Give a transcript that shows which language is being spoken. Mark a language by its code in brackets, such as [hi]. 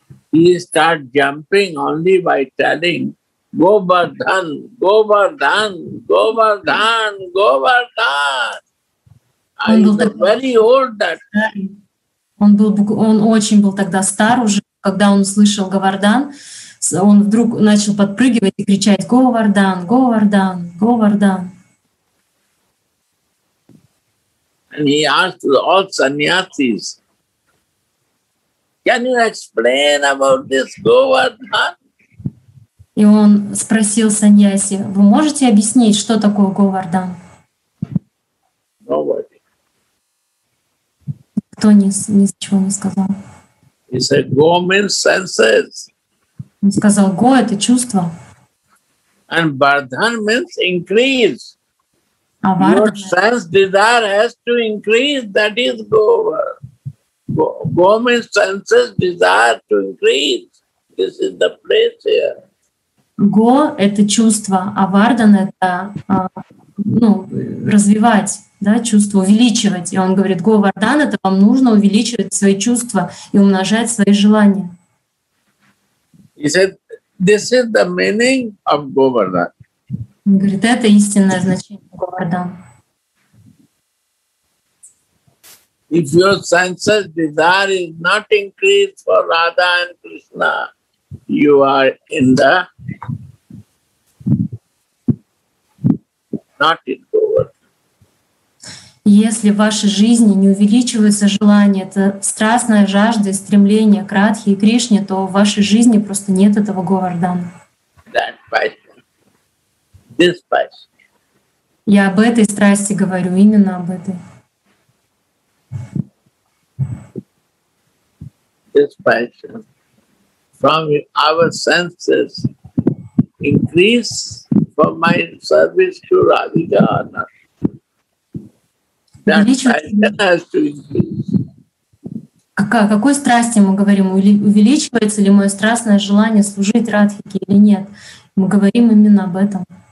[en] He started jumping only by telling Govardhan, Govardhan, Govardhan, Govardhan. [ru] Он был так [en] very old that. [ru] Он был, он очень был тогда стар уже, когда он услышал Говардан, он вдруг начал подпрыгивать и кричать: Говардан, Говардан, Говардан. [en] And he asked all sannyasis, can you explain about this Govardhan? [ru] И он спросил саньяси, вы можете объяснить, что такое Говардан? [en] Nobody. [ru] Никто ничего не сказал. [en] He said, go means senses. [ru] Он сказал, go — это чувство. [en] And Vardhan means increase. [ru] А [en] your sense desire has to increase, that is Govardhan. Go means senses desire to increase. This is the place here. [ru] Го — это чувство, а вардан — это ну, развивать, да, чувство, увеличивать. И он говорит, го вардан — это вам нужно увеличивать свои чувства и умножать свои желания. [en] He said, this is the meaning of го вардан. [ru] Он говорит, это истинное значение го вардан. [en] If your senses desire is not increased for Radha and Krishna, you are in the not in Govardhan. [ru] Если в вашей жизни не увеличивается желание, это страстная жажда и стремление к Радхе и Кришне, то в вашей жизни просто нет этого Говардхана. [en] That passion. This passion. [ru] Я об этой страсти говорю, именно об этой. [en] This passion. From our senses, increase for my service to Radhika or not. That passion has to increase. [ru] Какой страсти мы говорим? Увеличивается ли мое страстное желание служить Радхике или нет? Мы говорим именно об этом.